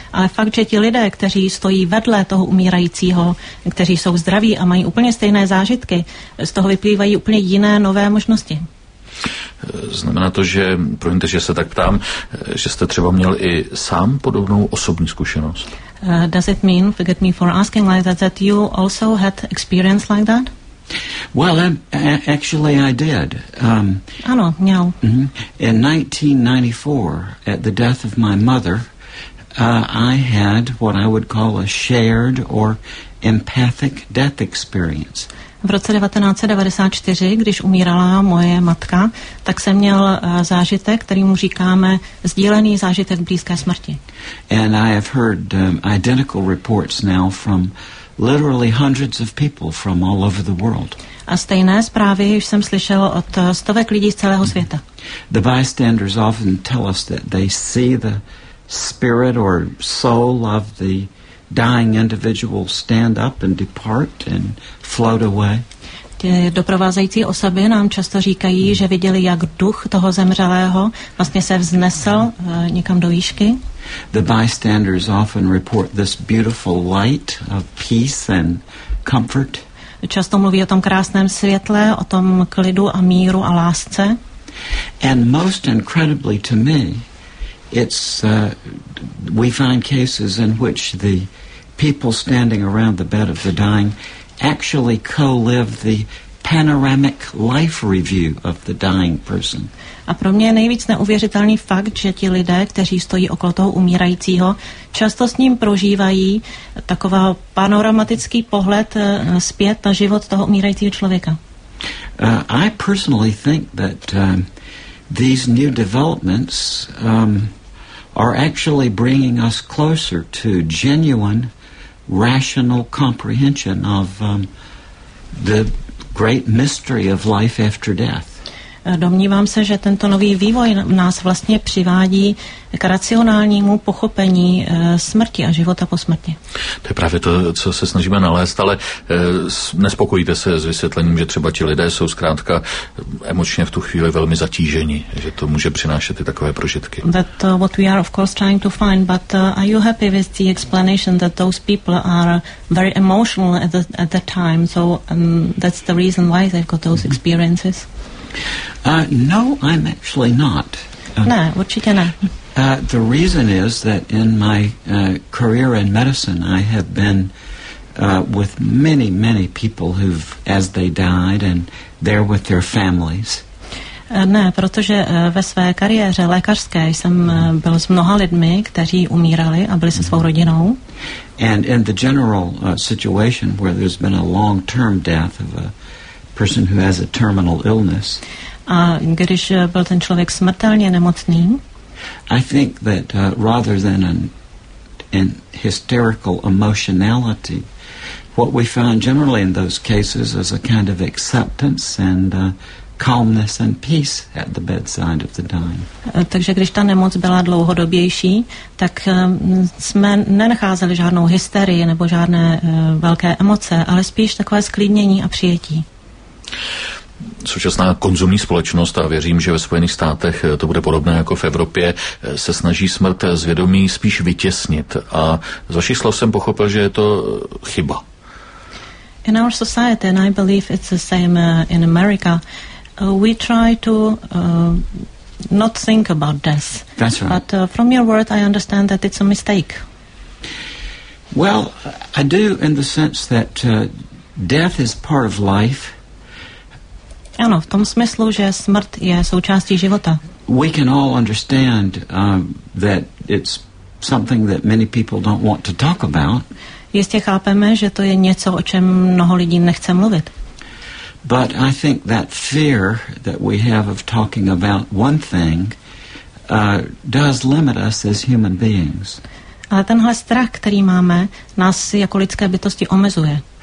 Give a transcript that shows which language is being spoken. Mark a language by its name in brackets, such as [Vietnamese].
[Czech] Ale fakt, že ti lidé, kteří stojí vedle toho umírajícího, kteří jsou zdraví a mají úplně stejné zážitky, z toho vyplývají úplně jiné nové možnosti. Znamená to, že, promiňte, že se tak ptám, že jste třeba měl i sám podobnou osobní zkušenost? [English] Does it mean, forgive me for asking like that, that you also had experience like that? Well, actually I did. [Czech] Ano, měl. [English] In 1994, at the death of my mother, I had what I would call a shared or empathic death experience. [Czech] V roce 1994, když umírala moje matka, tak jsem měl zážitek, který mu říkáme sdílený zážitek blízké smrti. [English] And I have heard identical reports now from literally hundreds of people from all over the world. [Czech] A stejné zprávy už jsem slyšel od stovek lidí z celého světa. [English] The bystanders often tell us that they see the spirit or soul of the dying individual stand up and depart and float away. [Czech] Ty doprovázející osoby nám často říkají, že viděli, jak duch toho zemřelého vlastně se vznesl někam do výšky. [English] The bystanders often report this beautiful light of peace and comfort. [Czech] Často mluví o tom krásném světle, o tom klidu a míru a lásce. [English] And most incredibly to me, it's we find cases in which the people standing around the bed of the dying actually co-live the panoramic life review of the dying person. [Czech] A pro mě je nejvíc neuvěřitelný fakt, že ti lidé, kteří stojí okolo toho umírajícího, často s ním prožívají takový panoramatický pohled zpět na život toho umírajícího člověka. [English] I personally think that these new developments are actually bringing us closer to genuine rational comprehension of the great mystery of life after death. [Czech] Domnívám se, že tento nový vývoj nás vlastně přivádí k racionálnímu pochopení smrti a života po smrti. To je právě to, co se snažíme nalézt, ale nespokojíte se s vysvětlením, že třeba ti lidé jsou zkrátka emočně v tu chvíli velmi zatíženi, že to může přinášet i takové prožitky. [English] That what we are of course trying to find, but are you happy with the explanation that those people are very emotional at the time, so that's the reason why they've got those experiences? No, I'm actually not. [Czech] Ne, určitě ne. [English] The reason is that in my career in medicine, I have been with many, many people who've, as they died, and they're with their families. [Czech] Ne, protože ve své kariéře lékařské jsem byl s mnoha lidmi, kteří umírali a byli se svou rodinou. [English] And in the general situation where there's been a long-term death of a person who has a terminal illness. [Czech] A když byl ten člověk smrtelně nemocný? [English] I think that rather than an hysterical emotionality, what we found generally in those cases is a kind of acceptance and calmness and peace at the bedside of the dying. [Czech] Takže když ta nemoc byla dlouhodobější, tak jsme nenacházeli žádnou hysterii nebo žádné velké emoce, ale spíš takové sklidnění a přijetí. Současná konzumní společnost, a věřím, že ve Spojených státech to bude podobné jako v Evropě, se snaží smrt z vědomí spíš vytěsnit. A z vašich slov jsem pochopil, že je to chyba. [English] In our society, and I believe it's the same in America, we try to not think about death. That's right. But from your word, I understand that it's a mistake. Well, I do in the sense that death is part of life. [Czech] Ano, v tom smyslu, že smrt je součástí života. [English] We can all understand that it's something that many people don't want to talk about. [Czech] Jistě chápeme, že to je něco, o čem mnoho lidí nechce mluvit. [English] But I think that fear that we have of talking about one thing does limit us as human beings. [Czech] Ale tenhle strach, který máme, nás jako lidské bytosti omezuje.